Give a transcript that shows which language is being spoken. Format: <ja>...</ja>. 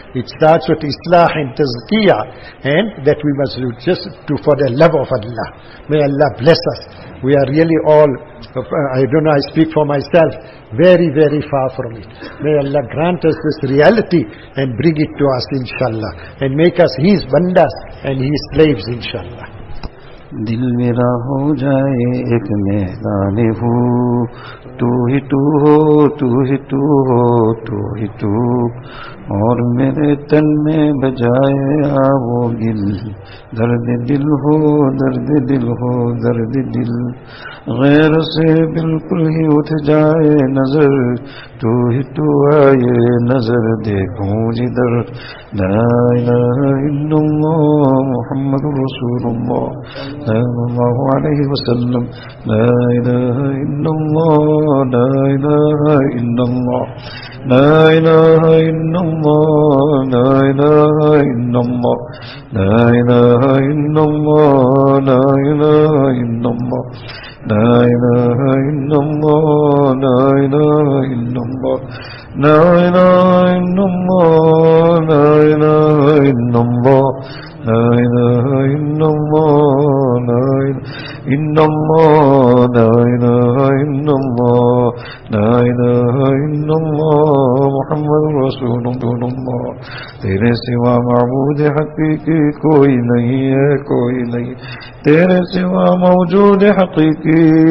<en>It starts with islah and tazkiyah, and that we must do just to, for the love of Allah. May Allah bless us. We are really all, I don't know, I speak for myself, very, very far from it. May Allah grant us this reality and bring it to us, inshallah. And make us his bandas and his slaves, inshallah.</en> <ur>دل میرا ہو جائے ایک میدان ہو, تو ہی تو ہو, تو ہی تو ہو, تو ہی تو, اور میرے تن میں بجائے آو گل, درد دل ہو, درد دل ہو, درد دل, غیر سے بالکل ہی اٹھ جائے نظر, تو ہی تو آئے نظر, دیکھوں جدھر,</ur> <ar>لا الہ الا اللہ محمد رسول اللہ صلی اللہ علیہ وسلم, لا الہ الا اللہ, لا الہ الا اللہ, لا الہ الا اللہ, لا الہ الا اللہ, لا الہ الا اللہ, لا الہ لا إله إلا الله لا إله إلا الله لا إله إلا الله لا إله إلا الله لا إله إلا الله لا إله إلا الله لا إله إلا الله لا إله إلا الله محمد رسول الله</ar> <ur>تیرے سوا معبود حقیقی کوئی نہیں ہے کوئی نہیں تیرے سوا موجود حقیقی</ur>